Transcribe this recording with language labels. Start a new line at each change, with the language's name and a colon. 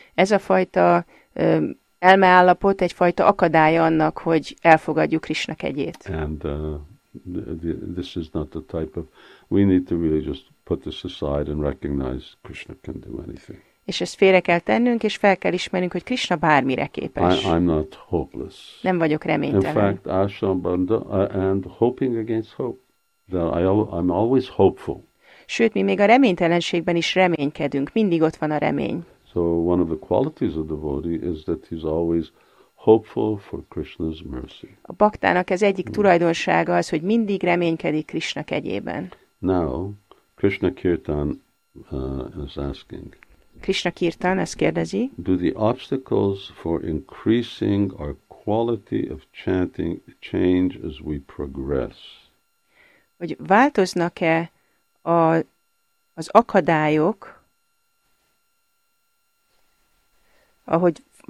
Hungarian: Ez a fajta elmeállapot egy fajta akadálya annak, hogy elfogadjuk Krishna kegyét.
English: And this is not the type of, we need to really just put this aside and recognize Krishna can do anything.
Hungarian: És ezt félre kell tennünk, és fel kell ismernünk, hogy Krishna bármire képes.
English: I'm not hopeless.
Hungarian: Nem vagyok reménytelen.
English: In fact, asham bandha, and hoping against hope. That I'm always hopeful.
Hungarian: Sőt, mi még a reménytelenségben is reménykedünk, mindig ott van a remény.
English: So one of the qualities of the devotee is that he's always hopeful for Krishna's mercy.
Hungarian: A baktának ez egyik tulajdonsága az, hogy mindig reménykedik Krishna kegyében.
English: Now, Krishna Kirtan is asking.
Hungarian: Krishna Kirtan ezt kérdezi.
English: Do the obstacles for increasing our quality of chanting change as we progress?
Hungarian: Hogy változnak-e az akadályok, ahogy